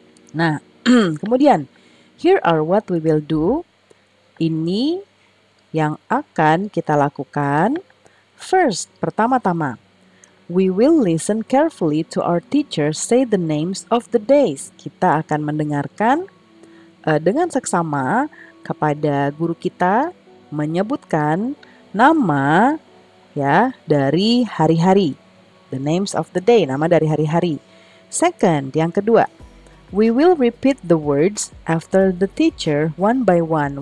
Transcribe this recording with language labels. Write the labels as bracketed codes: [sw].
[id] Nah, kemudian [en] here are what we will do. [id] Ini yang akan kita lakukan. [en] First, [id] pertama-tama, [en] we will listen carefully to our teacher say the names of the days. [id] Kita akan mendengarkan dengan seksama kepada guru kita menyebutkan nama ya dari hari-hari. [en] The names of the day, [id] nama dari hari-hari. [en] Second, [id] yang kedua, [en] we will repeat the words after the teacher one by one.